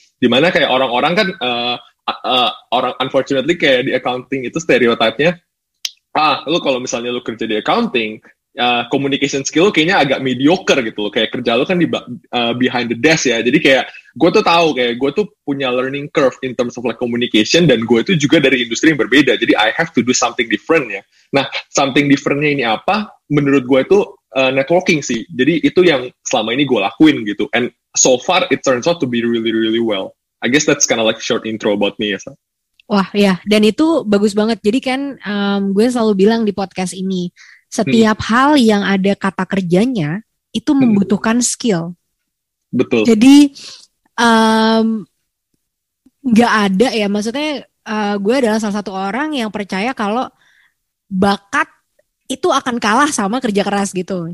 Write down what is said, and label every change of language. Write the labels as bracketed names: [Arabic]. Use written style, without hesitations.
[Indonesian] Dimana kayak orang-orang kan, orang unfortunately kayak di accounting itu stereotipnya, lu kalau misalnya lu kerja di accounting, [English] communication skill [Indonesian] lu kayaknya agak mediocre gitu loh. Kayak kerja lu kan di [English] behind the desk [Indonesian] ya. Jadi kayak gue tuh tahu kayak gue tuh punya [English] learning curve in terms of like communication, [Indonesian] dan gue tuh juga dari industri yang berbeda. [English] Jadi I have to do something different ya. [Indonesian] Nah, something differentnya ini apa? Menurut gue itu networking sih. Jadi itu yang selama ini gue lakuin gitu. [English] And so far it turns out to be really really well. I guess that's kind of like short intro about me ya. So. [Indonesian] Wah ya, dan itu bagus banget. Jadi kan gue selalu bilang di podcast ini, setiap hal yang ada kata kerjanya itu membutuhkan skill. Betul. Jadi gak ada ya, maksudnya gue adalah salah satu orang yang percaya kalau bakat itu akan kalah sama kerja keras gitu.